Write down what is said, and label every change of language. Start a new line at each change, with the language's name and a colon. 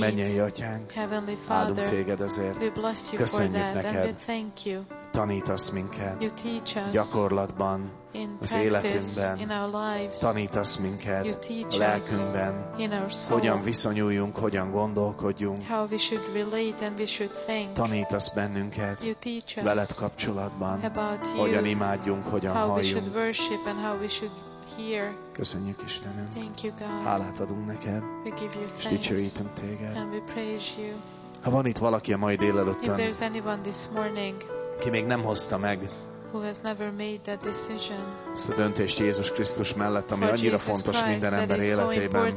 Hungarian: Mennyei Atyánk,
English: Heavenly Father,
Hungarian: áldunk Téged ezért.
English: We bless you
Hungarian: köszönjük
English: for that,
Hungarian: Neked.
English: And we thank you.
Hungarian: Tanítasz minket
English: you teach us
Hungarian: gyakorlatban,
English: in
Hungarian: az életünkben.
English: In our lives.
Hungarian: Tanítasz minket
English: you teach
Hungarian: a lelkünkben,
English: in our soul.
Hungarian: Hogyan viszonyuljunk, hogyan gondolkodjunk.
English: How we should relate and we should think.
Hungarian: Tanítasz bennünket
English: you teach us
Hungarian: veled kapcsolatban,
English: about you.
Hungarian: Hogyan imádjunk, hogyan
English: how
Hungarian: halljunk.
English: We should worship and how we should hear.
Hungarian: Köszönjük Istenünk.
English: Thank you, God.
Hungarian: Hálát adunk Neked.
English: We give you thanks.
Hungarian: És dicsőítünk Téged.
English: And we praise you.
Hungarian: Ha van itt valaki a mai délelőttön,
English: if there's anyone this morning,
Hungarian: ki még nem hozta meg
English: who has never made that decision,
Hungarian: ezt a döntést Jézus Krisztus mellett, ami annyira
English: Jesus
Hungarian: fontos
English: Christ,
Hungarian: minden ember életében,